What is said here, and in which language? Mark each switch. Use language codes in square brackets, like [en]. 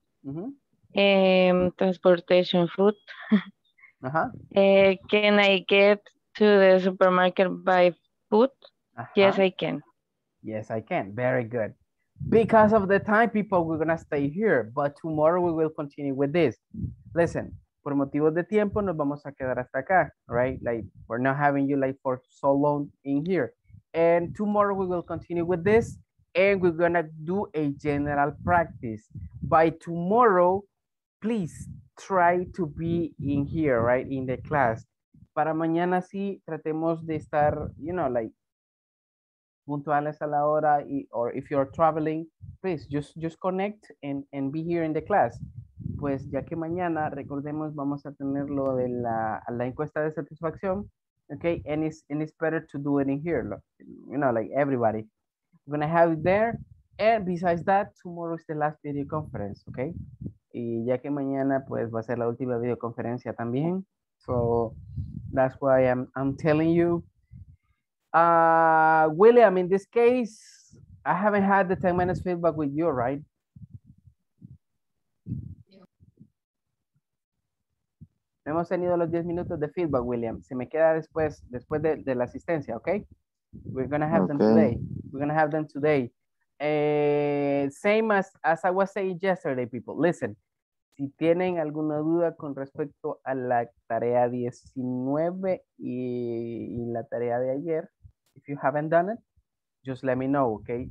[en] uh-huh. Transportation, food. Uh-huh. Can I get to the supermarket by foot? Uh-huh. Yes, I can. Yes, I can. Very good. Because of the time, people, we're going to stay here. But tomorrow we will continue with this. Listen. [es] Por motivos de tiempo, nos vamos a quedar hasta acá, right? [en] Like, we're not having you, like, for so long in here. And tomorrow, we will continue with this, and we're gonna do a general practice. By tomorrow, please try to be in here, right, in the class. [es] Para mañana, sí, tratemos de estar, [en] you know, like, [es] puntuales a la hora, [en] or if you're traveling, please, just connect and be here in the class. [es] Pues ya que mañana, recordemos, vamos a tener lo de la encuesta de satisfacción, okay? [en] And it's better to do it in here, you know, like everybody. We're going to have it there. And besides that, tomorrow is the last video conference, okay? [es] Y ya que mañana, pues, va a ser la última videoconferencia también. [en] So that's why I'm telling you. William, in this case, I haven't had the 10 minutes feedback with you, right? [es] No hemos tenido los 10 minutos de feedback, William. Se me queda después de la asistencia, ¿ok? [en] We're going to have them today. We're going to have them today. Same as I was saying yesterday, people. [es] Listen, si tienen alguna duda con respecto a la tarea 19 y la tarea de ayer, [en] if you haven't done it, just let me know, [es] ¿ok?